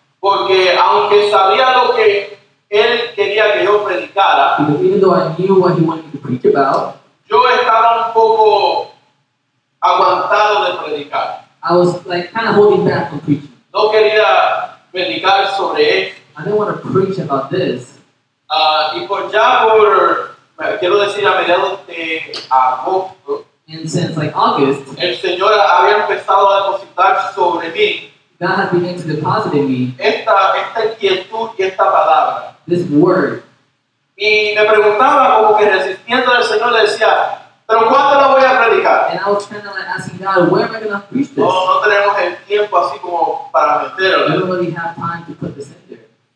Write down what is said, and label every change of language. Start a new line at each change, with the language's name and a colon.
Spanish: Porque aunque sabía lo que él quería que yo predicara,
English: because even though I knew what he wanted to preach about,
Spanish: yo estaba un poco aguantado de predicar.
English: I was like kind of holding back from preaching.
Spanish: No quería predicar sobre esto.
English: I didn't want to preach about this.
Spanish: Y por ya por, quiero decir, a mediados de agosto,
English: and since like August,
Spanish: el Señor había empezado a depositar sobre mí,
English: God had begun to deposit in me
Spanish: esta inquietud y esta palabra,
English: this word.
Spanish: Y me preguntaba como que resistiendo al Señor, le decía, ¿pero cuándo lo voy a predicar?
English: And I was kind of like asking God, where am I going to preach this?
Spanish: No tenemos el tiempo así como para meterlo.
English: We don't really have time to put this in there.